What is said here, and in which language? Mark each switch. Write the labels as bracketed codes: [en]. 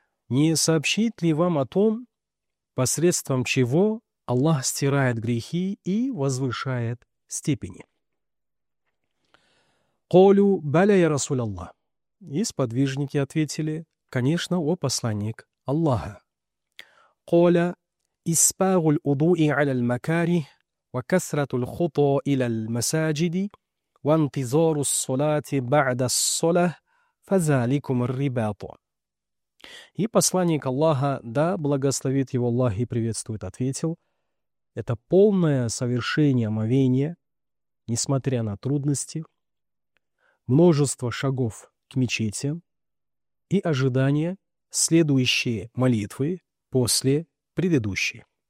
[ru] Не сообщит ли вам о том, посредством чего Аллах стирает грехи и возвышает степени? [ar] «Колю баля я Расуль Аллах». [ru] И сподвижники ответили: «Конечно, о посланник Аллаха». [ar] قال إسباغ الوضوء على المكاره وكثرة الخطو إلى المساجد وانتظار الصلاة بعد الصلاة فذلكم الرباط. [ru] И посланник Аллаха, да благословит его Аллах и приветствует, ответил: это полное совершение омовения, несмотря на трудности, множество шагов к мечети и ожидание следующие молитвы после предыдущей.